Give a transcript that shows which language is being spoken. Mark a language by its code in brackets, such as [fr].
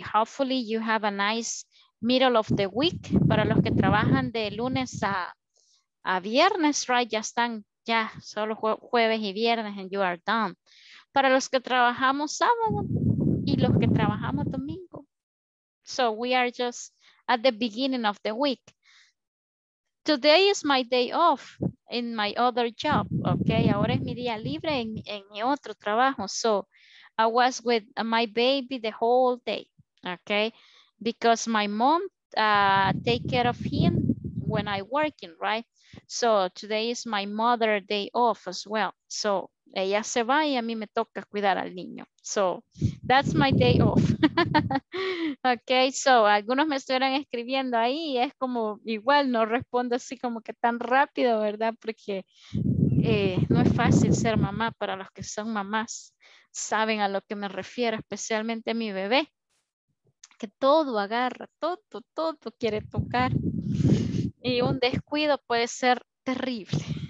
[en] Hopefully you have a nice middle of the week. [es] Para los que trabajan de lunes a viernes, right? Ya están, ya, solo jueves y viernes [en] and you are done. [es] Para los que trabajamos sábado y los que trabajamos domingo. [en] So we are just at the beginning of the week. Today is my day off in my other job, okay? [es] Ahora es mi día libre en mi otro trabajo. [en] So I was with my baby the whole day, okay? Because my mom take care of him when I working, right? So today is my mother day off as well. [es] So ella se va y a mí me toca cuidar al niño. [en] So that's my day off. [es] Okay, so algunos me estuvieron escribiendo ahí y es como igual no respondo así como que tan rápido, ¿verdad? Porque no es fácil ser mamá. Para los que son mamás saben a lo que me refiero, especialmente mi bebé, que todo agarra, todo quiere tocar y un descuido puede ser terrible.